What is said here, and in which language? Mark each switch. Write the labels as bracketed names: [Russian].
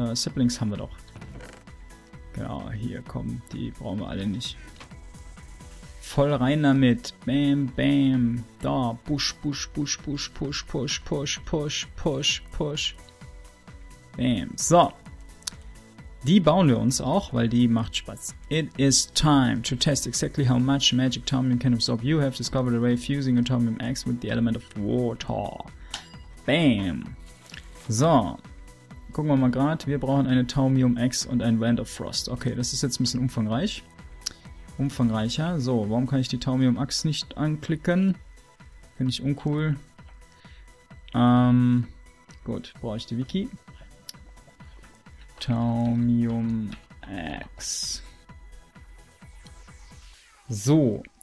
[German] Saplings haben wir doch. Genau, hier kommen. Die brauchen wir alle nicht. Voll rein damit. Bam, bam. Da. Push, push, push, push, push, push, push, push, push, push. Bam. So. Die bauen wir uns auch, weil die macht Spaß. [English] It is time to test exactly how much magic Tomium can absorb. You have discovered a way of fusing a Tomium Axe with the element of water. [German] Bam. So. Gucken wir mal gerade. Wir brauchen eine Tomium Axe und ein Wand of Frost. Okay, das ist jetzt ein bisschen umfangreich. Umfangreicher. So, warum kann ich die Tomium Axe nicht anklicken? Finde ich uncool. Gut, brauche ich die Wiki. Taumium Axe. So.